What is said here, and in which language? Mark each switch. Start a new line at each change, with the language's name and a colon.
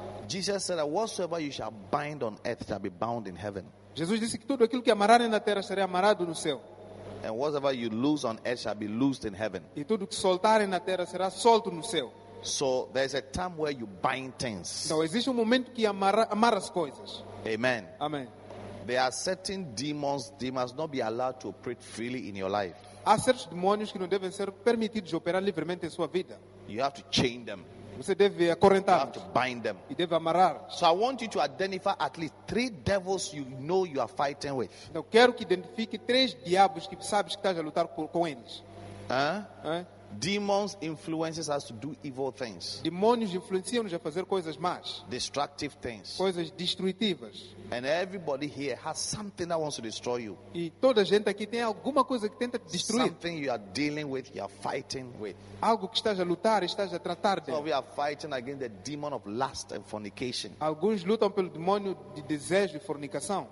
English: Jesus said that whatsoever you shall bind on earth shall be bound in heaven.
Portuguese: Jesus disse que tudo aquilo que amarrarem na terra será amarrado no céu.
English: And whatsoever you loose on earth shall be loosed in heaven.
Portuguese: E tudo que soltarem na terra será solto no céu.
English: So there's a time where you bind things.
Portuguese: Então existe momento que amarra as coisas.
English: Amen.
Portuguese: Amém.
English: There are certain demons, they must not be allowed to operate freely in your life.
Portuguese: Há certos demônios que não devem ser permitidos de operar livremente em sua vida.
English: You have to chain them.
Portuguese: Você deve acorrentar.
English: You have to bind them.
Portuguese: E deve amarrar.
English: So I want you to identify at least three devils you know you are fighting with.
Portuguese: Então, eu quero que identifique três diabos que sabes que estás a lutar com eles.
English: Demons influences us to do evil things.
Portuguese: Demônios influenciam-nos a fazer coisas más.
English: Destructive things.
Portuguese: Coisas destrutivas.
English: And everybody here has something that wants to destroy you.
Portuguese: E toda a gente aqui tem alguma coisa que tenta destruir.
English: Something you are dealing with, you are fighting with.
Portuguese: Algo que estás a lutar, estás a tratar de.
English: Some of you are fighting against the demon of lust and fornication.
Portuguese: Alguns lutam pelo demônio de desejo e fornicação.